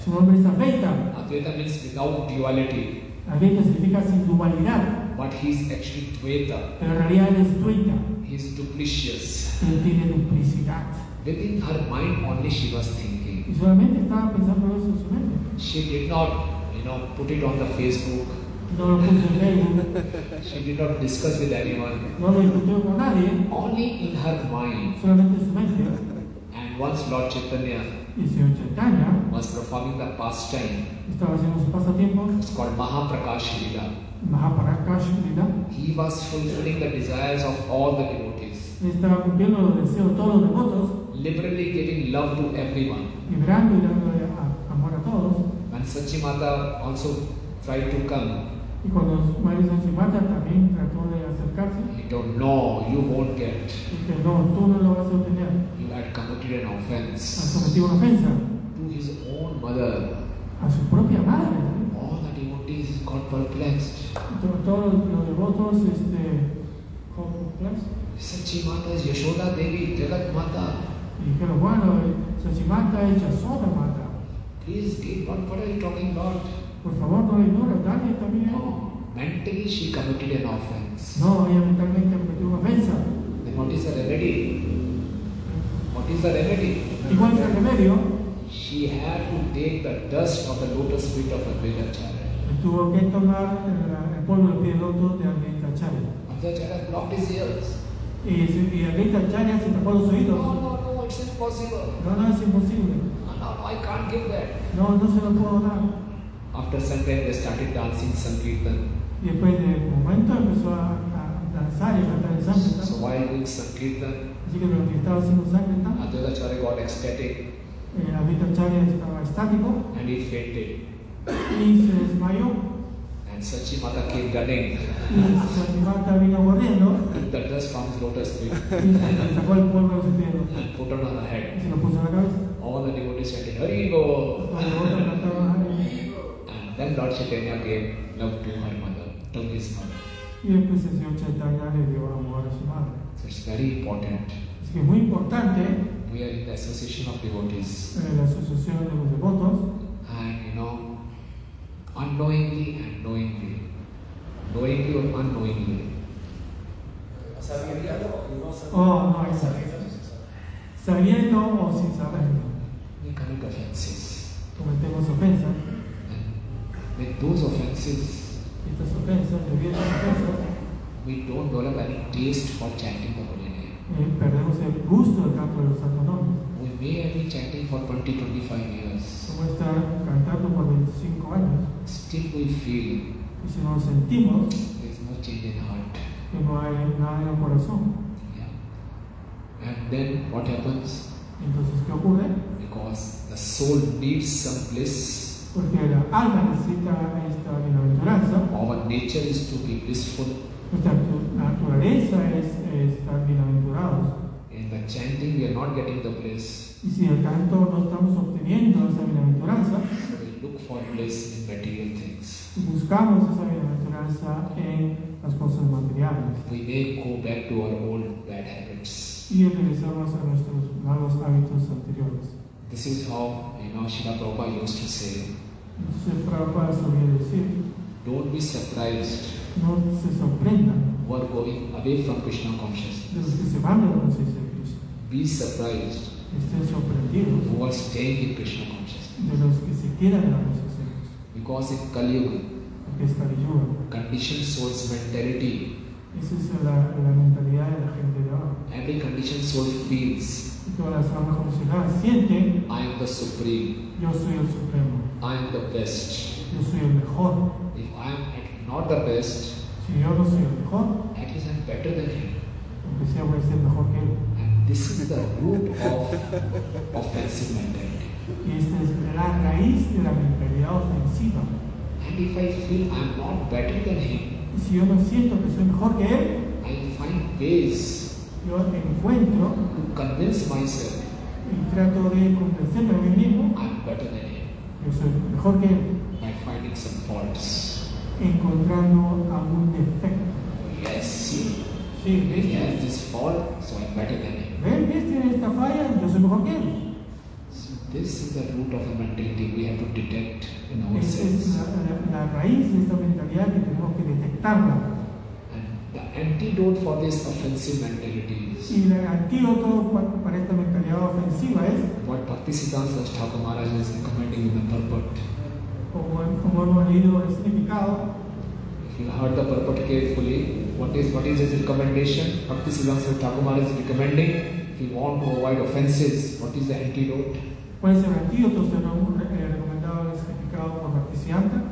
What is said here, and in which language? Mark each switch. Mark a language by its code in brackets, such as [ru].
[es] Su nombre es Advaita. [en] Advaita means without duality. [es] Advaita significa sin dualidad. [en] But he is actually Dvaita. [es] Pero en realidad él es Dvaita. [en] He is duplicious. [es] Él tiene duplicidad. [en] Within her mind only she was thinking. [es] Y solamente estaba pensando eso en su mente. [en] She did not, you know, put it on the Facebook. [es] No lo puso en Facebook. [en] She did not discuss with anyone. [es] No lo discutió con nadie. [en] Only in her mind. [es] Solamente en su mente. [en] And once Lord Chaitanya, [es] y Señor Chaitanya [en] was performing the pastime. [es] Estaba haciendo su pasatiempo. [en] It's called Mahaprakash Lila. [es] Mahaprakash Lila. [en] He was fulfilling the desires of all the devotees. [es] Estaba cumpliendo los deseos de todos los devotos. [en] Liberally giving love to everyone. [es] Liberando y dándole amor a todos. [en] When Sachimata also tried to come. [es] Y cuando Mari Sachimata también trató de acercarse. [en] He told, no, you won't get. [es] Dice, no, tú no lo vas a obtener. [en] You had committed an offense. [es] Has cometido una ofensa. [en] To his own mother. [es] A su propia madre. [en] All the devotees got perplexed. [es] Todos los devotos, [en] got perplexed. Sachimata is Yashoda Devi, Jagat Mata. [es] Y dijeron, bueno, Sachimata es Yashoda Mata. [en] Please give one, what are you talking about? [es] Por favor, no ignore, Dani también. [en] No, mentally she committed an offense. [es] No, ella mentalmente cometió una ofensa. [en] Then what is the remedy? What is the remedy? [es] ¿Y cuál es el remedio? [en] She had to take the dust of the lotus feet of Advaita Acharya. [es] Tuvo que tomar el polvo del pie de loto de Advaita Acharya. [en] Advaita Acharya blocked his ears. [es] Y Advaita Acharya se tapó los oídos. [en] No, it's impossible. [es] No, es imposible. [en] No, I can't give that. [es] No se lo puedo dar. [en] After some time they started dancing Sankirtan. [es] Y después de un momento empezó a danzar y cantar el Sankirtan. [en] So while doing Sankirtan, [es] así que durante que estaba haciendo Sankirtan, [en] Advaita Acharya got ecstatic. [es] Advaita Acharya estaba estático. [en] And he fainted. [es] Y se desmayó. [en] And Sachimata came running. [es] Sachimata vino corriendo. [en] The dust from his lotus feet. [es] Sacó el polvo de su pie. [en] And put on the head. [es] Y se lo puso en la cabeza. [en] All the devotees chanted, "Hari go." And then Lord Chaitanya gave love to her mother, to his mother. [es] Y después el Señor Chaitanya le dio amor a su madre. [en] So it's very important. [es] Es que muy importante. [en] We are in the association of devotees. [es] La asociación de los devotos. [en] And you know, unknowingly and knowingly. Knowingly or unknowingly. [es] Sabiendo o sin saberlo. [en] We commit offenses. [es] Cometemos ofensas. [en] And with those offenses, [es] estas ofensas, debidas ofensas, [en] we don't develop any taste for chanting the holy name. [es] Perdemos el gusto del canto de los santos nombres. [en] We may have been chanting for 20-25 years. [es] Vamos a estar cantando por 25 años. [en] Still we feel. [es] Y si no lo sentimos, [en] there is no change in heart. [es] Que no hay nada en el corazón. [en] Yeah. And then what happens? [es] Entonces, ¿qué ocurre? [en] Because the soul needs some bliss. [es] Porque la alma necesita esta bienaventuranza. [en] Our nature is to be blissful. [es] Nuestra naturaleza es estar bienaventurados. [en] In the chanting, we are not getting the bliss. [es] Y si el canto no estamos obteniendo esa bienaventuranza, [en] we look for bliss in material things. [es] Buscamos esa bienaventuranza en las cosas materiales. [en] We may go back to our old bad habits. [es] Y regresamos a nuestros malos hábitos anteriores. [en] This is how, you know, Srila Prabhupada used to say. [es] Srila Prabhupada solía decir. [en] Don't be surprised. [es] No se sorprendan. [en] Who are going away from Krishna consciousness. [es] Los que se van de la conciencia de Krishna. [en] Be surprised. [es] Estén sorprendidos. [en] Who are staying in Krishna consciousness. [es] De los que se quedan en la conciencia de Krishna. [en] Because in Kali Yuga. [es] Porque es Kali Yuga. [en] Conditioned soul's mentality. [es] Esa es la mentalidad de la gente de ahora. [en] Every conditioned soul feels. [es] Y todas las almas condicionadas sienten. [en] I am the supreme. [es] Yo soy el supremo. [en] I am the best. [es] yo soy el mejor. [en] If I am not the best, [es] si yo no soy el mejor, [en] at least I am better than him. [es] Aunque sea, voy a ser mejor que él. [en] And this is the root of offensive mentality. [es] Y esta es la raíz de la mentalidad ofensiva. [en] And if I feel I am not better than him, [es] si yo no siento que soy mejor que él, [en] I find ways [es] yo encuentro [en] to convince myself. [es] Y trato de convencerme a mí mismo. [en] I'm better than him. [es] Yo soy mejor que él. [en] By finding some faults. [es] Encontrando algún defecto. [en] Yes, [es] sí. Sí, [en] he has this fault, so I'm better than him. [es] Ven, ¿ves? Tiene esta falla, yo soy mejor que él. [en] So this is the root of the mentality we have to detect in ourselves. [es] Esa es la raíz de esta mentalidad que tenemos que detectarla. [en] The antidote for this offensive mentality is. [es] Y el antídoto para esta mentalidad ofensiva es. [en] What Bhaktisiddhanta Sarasvati Maharaj is recommending in the purport. [es] Como hemos leído el significado. [en] If you heard the purport carefully, what is his recommendation? Bhaktisiddhanta Sarasvati Maharaj is recommending. If you want to avoid offenses, what is the antidote? [es] ¿Cuál es el antídoto según recomendado el significado por Bhaktisiddhanta?